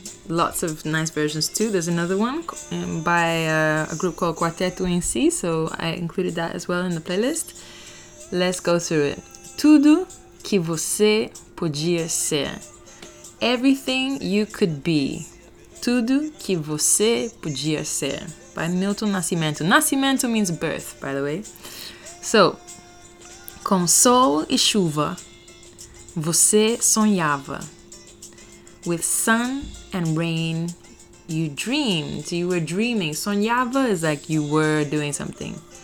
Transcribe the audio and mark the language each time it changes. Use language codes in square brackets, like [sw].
[en] Lots of nice versions too. There's another one by a group called Quarteto em Si, so I included that as well in the playlist. Let's go through it. [pt] Tudo que você podia ser. [en] Everything you could be. [pt] Tudo que você podia ser. By Milton Nascimento. [en] Nascimento means birth, by the way. [pt] So, com sol e chuva, você sonhava. [en] With sun and rain, you dreamed. You were dreaming. Sonhava is like you were doing something.